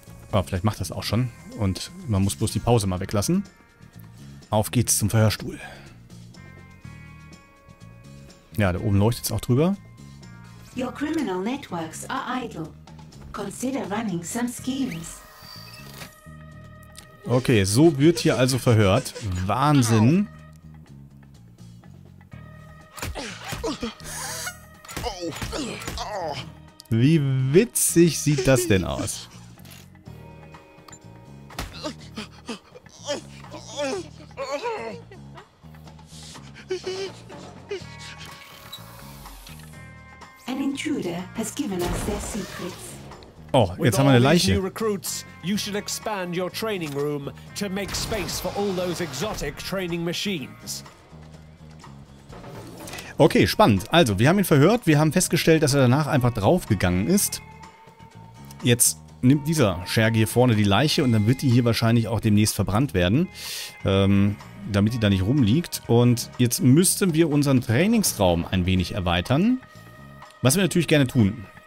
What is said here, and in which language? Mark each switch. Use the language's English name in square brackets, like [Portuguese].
[German] Aber oh, vielleicht macht das auch schon. Und man muss bloß die Pause mal weglassen. Auf geht's zum Verhörstuhl. Ja, da oben leuchtet es auch drüber. [English] Your criminal networks are idle. Consider running some schemes. [German] Okay, so wird hier also verhört. Wahnsinn. Wie witzig sieht das denn aus? [English] An intruder has given us their secrets. [German] Oh, jetzt haben wir eine Leiche. [English] New recruits, you should expand your training room to make space for all those exotic training machines. [German] Okay, spannend. Also, wir haben ihn verhört. Wir haben festgestellt, dass er danach einfach draufgegangen ist. Jetzt nimmt dieser Scherge hier vorne die Leiche und dann wird die hier wahrscheinlich auch demnächst verbrannt werden, damit die da nicht rumliegt. Und jetzt müssten wir unseren Trainingsraum ein wenig erweitern, was wir natürlich gerne tun.